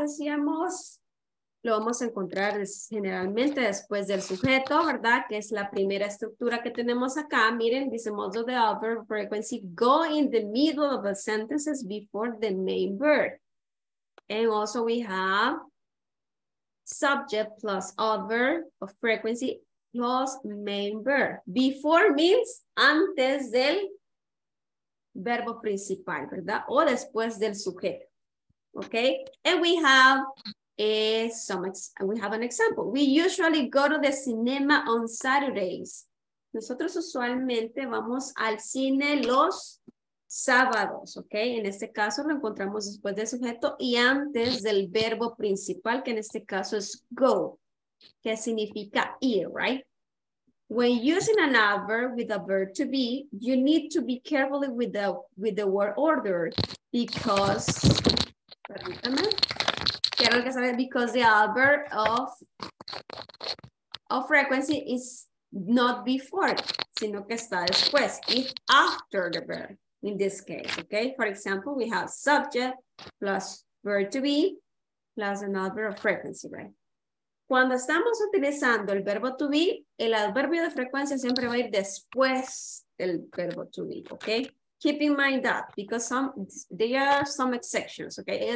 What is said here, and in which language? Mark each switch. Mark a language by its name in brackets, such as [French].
[Spanish] Decíamos, lo vamos a encontrar generalmente después del sujeto, ¿verdad? Que es la primera estructura que tenemos acá. Miren, dice modo de [English] adverb frequency, go in the middle of the sentences before the main verb. And also we have subject plus adverb of frequency plus main verb. Before means [Spanish] antes del verbo principal, ¿verdad? O después del sujeto. Okay? [English] And we have an example. We usually go to the cinema on Saturdays. [Spanish] Nosotros usualmente vamos al cine los sábados, ¿ok? En este caso lo encontramos después del sujeto y antes del verbo principal, que en este caso es go, que significa ir, right? [English] When using an adverb with a verb to be, you need to be careful with the word order because, [Spanish] permítame, quiero que sabes, [English] because the adverb of frequency is not before, [Spanish] sino que está después, [English] it's after the verb. In this case, okay? For example, we have subject plus verb to be plus an adverb of frequency, right? [Spanish] Cuando estamos utilizando el verbo to be, el adverbio de frecuencia siempre va a ir después del verbo to be, okay? [English] Keep in mind that because there are some exceptions, okay?